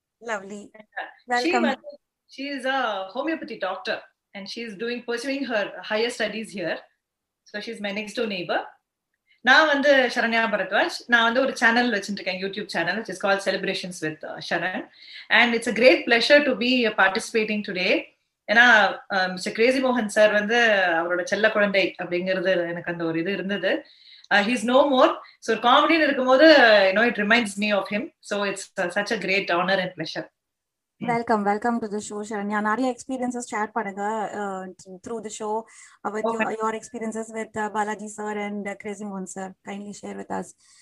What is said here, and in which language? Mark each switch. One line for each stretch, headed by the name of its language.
English: Lovely, welcome. She is a homeopathy doctor and she is doing pursuing her higher studies here. So she's my next door neighbor.
Tamil: நான் வந்து
English: Sharanya Bharadwaj.
Tamil: நான் வந்து ஒரு channel வச்சுருக்கேன், YouTube channel,
English: which is called
Tamil: Celebrations with Sharan.
English: And it's a great pleasure to be participating today.
Tamil: ஏன்னா mister Crazy மோகன் sir வந்து அவரோட செல்ல குழந்தை அப்படிங்கிறது எனக்கு அந்த ஒரு இது இருந்தது.
English: He is no more. So
Tamil: காமெடின்னு இருக்கும் போது
English: You know it reminds me of him. So it's such a great honour and pleasure. Welcome, welcome to the show Sharanya. நிறைய experiences
Tamil: ஷேர் பண்ணுங்க
English: Through the show with your experiences with Balaji sir and Crazy மோகன் sir. Kindly share with us.